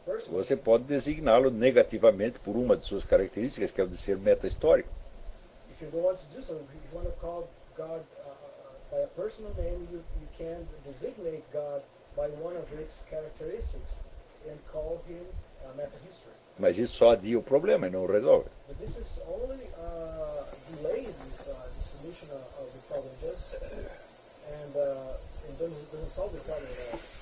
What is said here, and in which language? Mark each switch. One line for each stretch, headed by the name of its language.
Portuguese: você pode designá-lo negativamente por uma de suas características, que é o de ser meta-histórico.
English: If you don't want to do so, if you want to call God by a personal name, you can designate God by one of its characteristics and call him meta-history.
Portuguese: Mas isso só adia o problema e não o resolve.
English: But this is only delays this the solution of the problem, just and doesn't solve the problem at all.